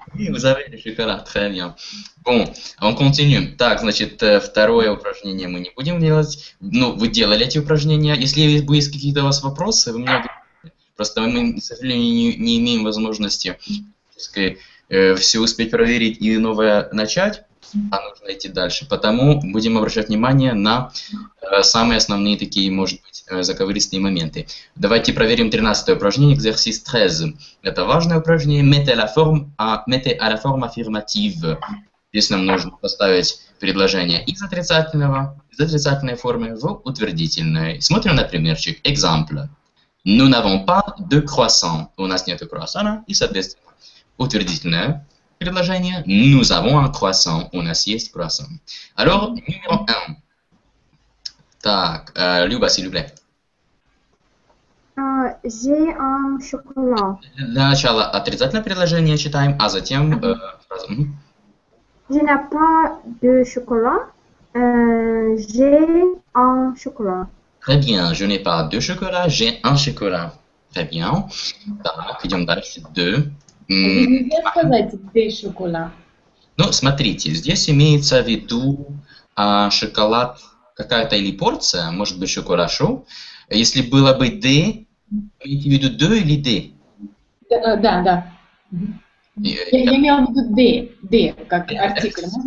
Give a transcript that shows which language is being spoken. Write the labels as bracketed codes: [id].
[fr] Oui, vous avez le chocolat, très bien. Bon, on continue. [ru] Так, значит, второе упражнение мы не будем делать. Ну, вы делали эти упражнения. Если есть какие-то у вас вопросы, вы мне... Просто мы, к сожалению, не имеем возможности все успеть проверить и новое начать, а нужно идти дальше. Потому будем обращать внимание на самые основные такие, может быть, заковыристые моменты. Давайте проверим 13-е упражнение, экзерсис 13. Это важное упражнение. [fr] Mettez à la forme affirmative. [ru] Здесь нам нужно поставить предложение из отрицательной формы в утвердительное. Смотрим на примерчик. Экзампль. [fr] Nous n'avons pas de croissant. [ru] У нас нет круассана. И, соответственно, утвердительное предложение. [fr] Nous avons un croissant. [ru] У нас есть круассан. [fr] Alors, numéro 1. [ru] Так, [fr] Люба, s'il vous plaît. J'ai un chocolat. [ru] Для начала отрицательное предложение читаем, а затем... [fr] Je n'ai pas de chocolat. J'ai un chocolat. Très bien, je n'ai pas de chocolat, j'ai un chocolat. Très bien. [ru] Так, идем дальше. [fr] Deux. Je vais [ru] сказать [fr] des chocolats. [ru] Ну, смотрите, здесь имеется в виду шоколад... Какая-то или порция, может быть, еще хорошо. Если было бы «де», имеете в виду «де» или «де»? Да. Я имела в виду «де», как артикль.